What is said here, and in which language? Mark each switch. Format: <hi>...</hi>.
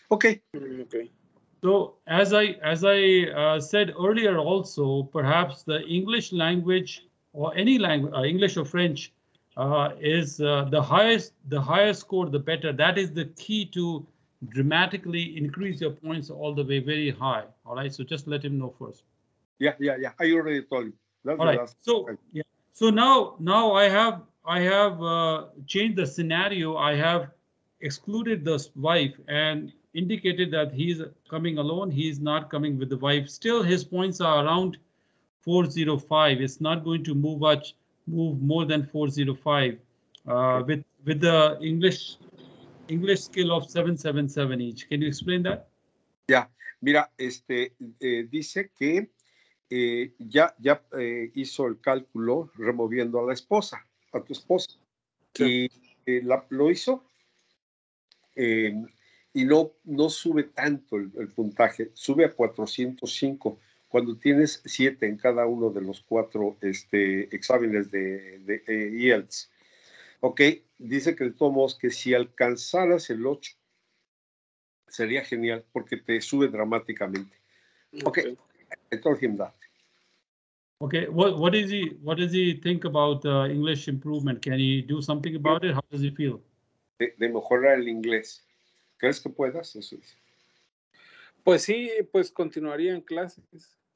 <en>Okay. So as I said earlier also, perhaps the English language or any language, English or French, is the higher score the better. That is the key to dramatically increase your points all the way very high. All right, so just let him know first. Yeah. I already told him. So now I have changed the scenario. I have excluded the wife and indicated that he's coming alone. He's not coming with the wife. Still, his points are around 405. It's not going to move more than 405 with the English skill of 777 each. Can you explain that? Yeah.</en> <es>Mira, dice que ya hizo el cálculo removiendo a la esposa, a tu esposa. Sí. Lo hizo y no sube tanto el puntaje. Sube a 405 cuando tienes 7 en cada uno de los 4 exámenes de IELTS. Ok, dice que de todos modos que si alcanzaras el 8 sería genial porque te sube dramáticamente.</es> <en>Okay. I told him that. Okay, what does he think about English improvement? Can he do something about it? How does he feel?</en> <es>De mejorar el inglés. ¿Crees que puedas? Eso es. Pues sí, pues continuaría en clases.</es>